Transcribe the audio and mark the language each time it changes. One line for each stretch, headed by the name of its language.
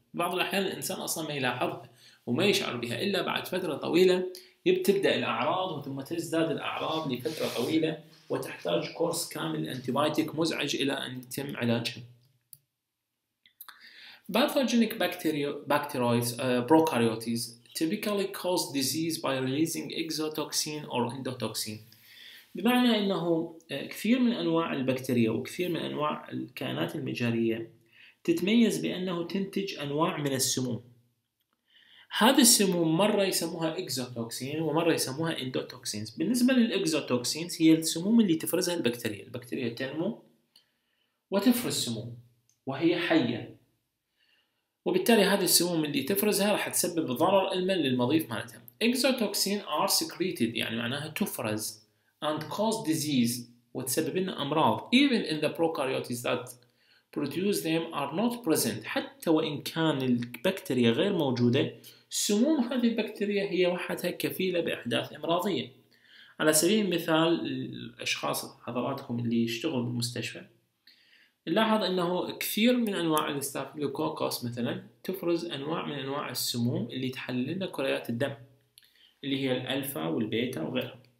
Arabic: بعض الاحيان الانسان اصلا ما يلاحظها وما يشعر بها الا بعد فتره طويله يبتدا الاعراض، ثم تزداد الاعراض لفتره طويله وتحتاج كورس كامل انتيبايتيك مزعج الى ان يتم علاجها.
English: Pathogenic bacteroids, prokaryotes, typically cause disease by releasing exotoxin or endotoxin.
Arabic: بمعنى أنه كثير من أنواع البكتيريا وكثير من أنواع الكائنات المجهرية تتميز بأنه تنتج أنواع من السموم. هذا السموم مرة يسموها exotoxin ومرة يسموها endotoxins. بالنسبة للexotoxins هي السموم اللي تفرزها البكتيريا. البكتيريا تنمو وتفرز سموم وهي حية، وبالتالي هذه السموم اللي تفرزها راح تسبب ضرر المن للمضيف مالتها.
English: Exotoxin are secreted
Arabic: يعني معناها تفرز
English: and cause disease
Arabic: وتسبب لنا أمراض
English: even in the prokaryotes that produce them are not present.
Arabic: حتى وإن كان البكتيريا غير موجودة سموم هذه البكتيريا هي وحدها كفيلة بإحداث أمراضية. على سبيل المثال الأشخاص حضراتكم اللي يشتغلوا بالمستشفى لاحظ انه كثير من انواع الستافيلوكوكوس مثلا تفرز انواع من انواع السموم اللي تحلل لنا كريات الدم اللي هي الالفا والبيتا وغيرها.